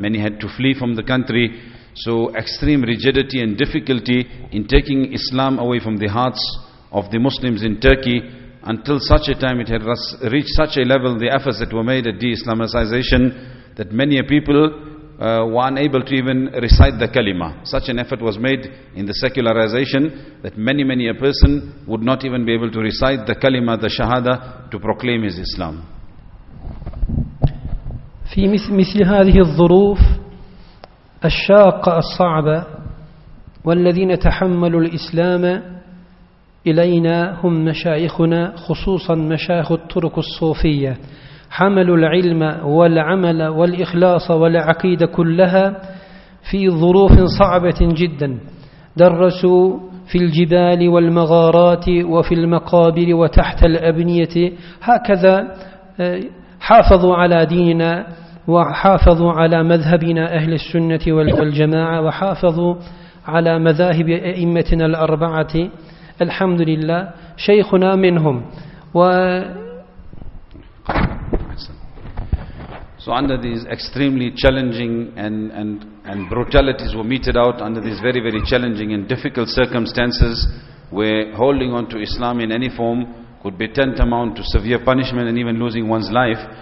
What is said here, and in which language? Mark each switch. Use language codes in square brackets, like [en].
[en] Many had to flee from the country. So extreme rigidity and difficulty in taking Islam away from the hearts of the Muslims in Turkey, until such a time it had reached such a level, the efforts that were made at de-Islamicization, that many a people were unable to even recite the kalima. Such an effort was made in the secularization that many a person would not even be able to recite the kalima, the shahada, to proclaim his Islam. [ar] في مثل هذه الظروف الشاقة الصعبة والذين تحملوا الإسلام إلينا هم مشايخنا خصوصا مشايخ الطرق الصوفية حملوا العلم والعمل والإخلاص والعقيدة كلها في ظروف صعبة جدا، درسوا في الجبال والمغارات وفي المقابر وتحت الأبنية، هكذا حافظوا على ديننا وحافظوا على مذهبنا أهل السنة والجماعة وحافظوا على مذاهب أئمتنا الأربعة، الحمد لله شيخنا منهم. و [en] So under these extremely challenging and brutalities were meted out under these very, very challenging and difficult circumstances where holding on to Islam in any form could be tantamount to severe punishment and even losing one's life.